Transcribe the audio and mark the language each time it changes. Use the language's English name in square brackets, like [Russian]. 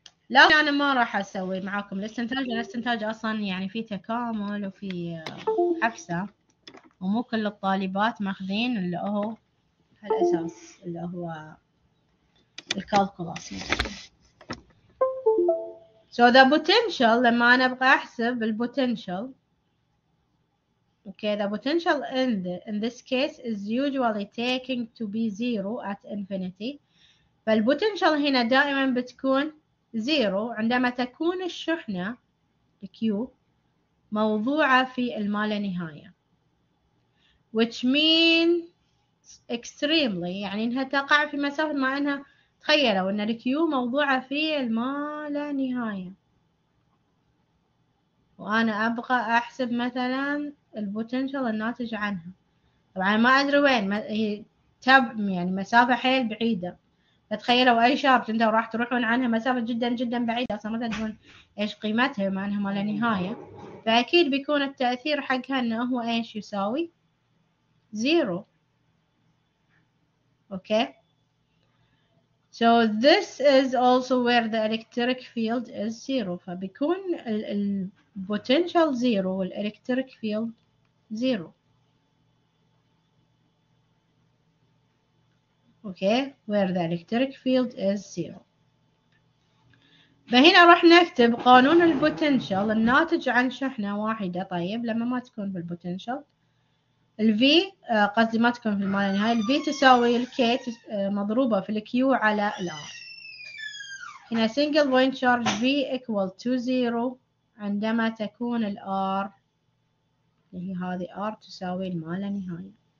[Arabic] لكن انا ما راح اسوي معاكم الاستنتاج، الاستنتاج اصلا يعني في تكامل وفي حفسة، ومو كل الطالبات ماخذين اللي هو هالأساس اللي هو الكالكولاس. [English] So the potential، [Arabic] لما أنا أبغى أحسب [English] ال potential، okay the potential in this case is usually taken to be zero at infinity. [Arabic] فال potential هنا دائما بتكون zero عندما تكون الشحنة Q موضوعة في المال نهاية، [English] which means extremely، [Arabic] يعني انها تقع في مسافة، ما انها تخيلوا ان الكيو موضوعة في الما لا نهاية، وانا ابغى احسب مثلا البوتنشال الناتج عنها، طبعا ما ادري وين هي، تب يعني مسافة حيل بعيدة، فتخيلوا اي شارج انتوا راح تروحون عنها مسافة جدا جدا بعيدة، اصلا ما تدرون ايش قيمتها بما انها ما لا نهاية، فاكيد بيكون التأثير حقها انه هو ايش يساوي؟ Zero. [English] Okay. So this is also where the electric field is zero. [Arabic] فبيكون ال potential zero وال electric field zero. [English] Okay. Where the electric field is zero. [Arabic] فهنا راح نكتب قانون ال potential الناتج عن شحنة واحدة. طيب لما ما تكون في ال potential، ال V قصدي ما تكون في المال النهاية، ال V تساوي ال K مضروبة في ال Q على ال R. هنا [English] single point charge V equal to zero [Arabic] عندما تكون ال R، اللي هي هذه R تساوي المال النهاية.